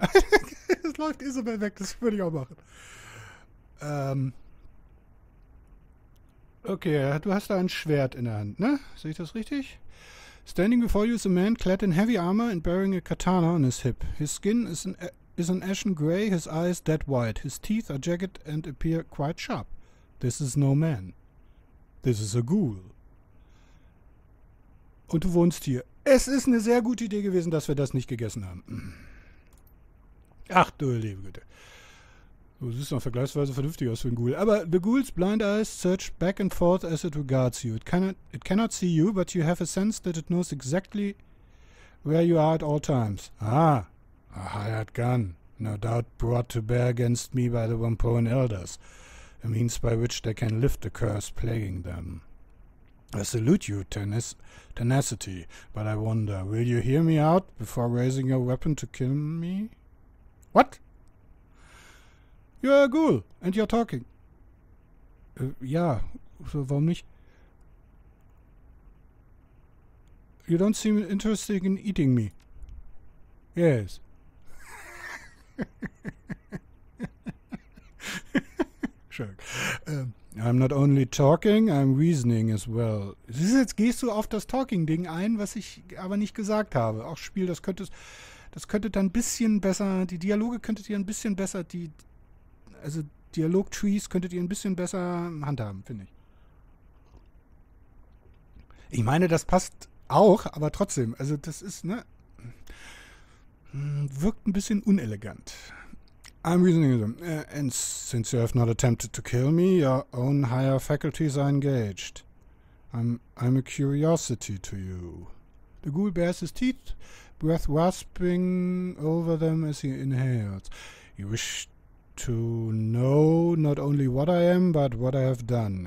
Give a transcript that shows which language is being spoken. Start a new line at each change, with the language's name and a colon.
German: Es läuft Isabel weg, das würde ich auch machen. Okay, du hast da ein Schwert in der Hand, ne? Sehe ich das richtig?
English: Standing before you is a man clad in heavy armor and bearing a katana on his hip. His skin is an ashen gray, his eyes dead white. His teeth are jagged and appear quite sharp. This is no man. This is a ghoul.
German: Und du wohnst hier. Es ist eine sehr gute Idee gewesen, dass wir das nicht gegessen haben. Ach du liebe Güte. Du siehst noch vergleichsweise vernünftig aus für einen Ghoul.
English: Aber the ghoul's blind eyes search back and forth as it regards you. It cannot see you, but you have a sense that it knows exactly where you are at all times. Ah, a hired gun. No doubt brought to bear against me by the Wampoan elders. A means by which they can lift the curse plaguing them. I salute you, tenacity, but I wonder, will you hear me out before raising your weapon to kill me? What? You're a ghoul, and you're talking.
German: Ja, so warum nicht?
English: You don't seem interested in eating me. Yes. I'm not only talking, I'm reasoning as well.
German: Jetzt gehst du auf das Talking-Ding ein, was ich aber nicht gesagt habe. Auch Spiel, das könnte dann ein bisschen besser, die Dialoge könntet ihr ein bisschen besser, also Dialog-Trees könntet ihr ein bisschen besser handhaben, finde ich. Ich meine, das passt auch, aber trotzdem, also das ist, ne, wirkt ein bisschen unelegant.
English: I'm reasoning, and since you have not attempted to kill me, your own higher faculties are engaged. I'm a curiosity to you. The ghoul bares his teeth, breath rasping over them as he inhales. You wish to know not only what I am, but what I have done.